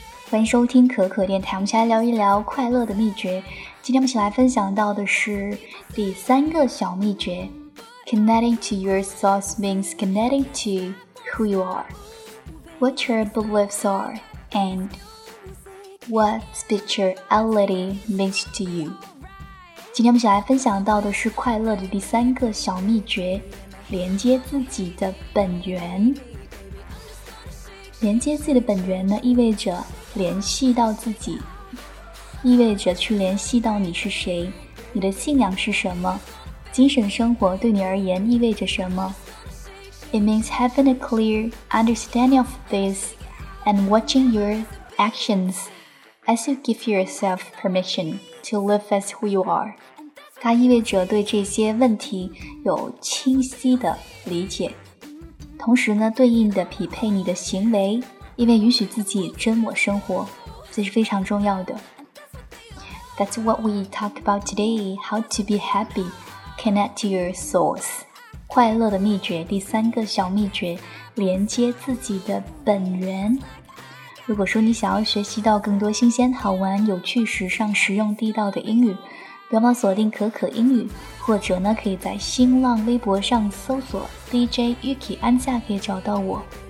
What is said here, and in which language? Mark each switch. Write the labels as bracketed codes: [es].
[zh] 欢迎收听可可电台，我们先来聊一聊快乐的秘诀。今天我们一起来分享到的是第三个小秘诀。 [en] Connecting to your source means connecting to who you are, what your beliefs are, and what spirituality means to you. [zh] 今天我们一起来分享到的是快乐的第三个小秘诀，连接自己的本源。连接自己的本源呢，意味着联系到自己，意味着去联系到你是谁，你的信仰是什么，精神生活对你而言意味着什么。 [en] It means having a clear understanding of this and watching your actions as you give yourself permission to live as who you are. [zh] 它意味着对这些问题有清晰的理解，同时呢，对应的匹配你的行为，因为允许自己真我生活，这是非常重要的。 [en] That's what we talk about today, how to be happy, connect to your source. [zh] 快乐的秘诀，第三个小秘诀，连接自己的本源。如果说你想要学习到更多新鲜、好玩、有趣、时尚、实用、地道的英语，不要忘锁定可可英语，或者呢，可以在新浪微博上搜索 DJ Yuki 安夏，可以找到我。